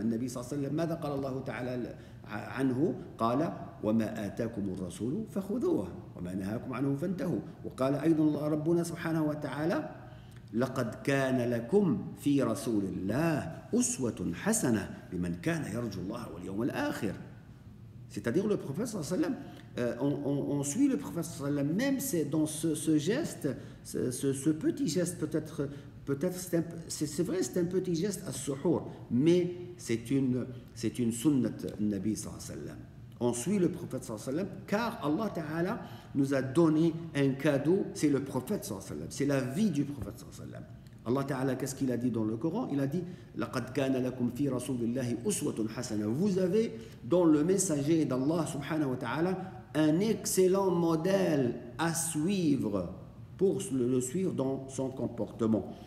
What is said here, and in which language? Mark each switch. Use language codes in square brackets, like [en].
[ar] النبي صلى الله عليه وسلم ماذا قال الله تعالى عنه؟ قال وما آتاكم الرسول فخذوه وما نهاكم عنه فانتهوا. وقال أيضا ربنا سبحانه وتعالى لقد كان لكم في رسول الله أسوة حسنة لمن كان يرجو الله واليوم الآخر. [fr] C'est-à-dire le prophète صلى الله عليه وسلم on suit le prophète صلى الله عليه وسلم même c'est dans ce geste ce petit geste peut-être c'est vrai c'est un petit geste à suhur mais c'est une sunnah Nabi صلى الله عليه وسلم. On suit le prophète صلى الله عليه وسلم car Allah Ta'ala nous a donné un cadeau, c'est le prophète صلى الله عليه وسلم, c'est la vie du prophète صلى الله عليه وسلم. Allah Ta'ala, qu'est-ce qu'il a dit dans le Coran? Il a dit [ar] لَقَدْ كَانَ لَكُمْ فِي رَسُولِ اللَّهِ أُسْوَةٌ حَسَنَةٌ. [fr] Vous avez dans le messager d'Allah subhanahu wa ta'ala un excellent modèle à suivre pour le suivre dans son comportement.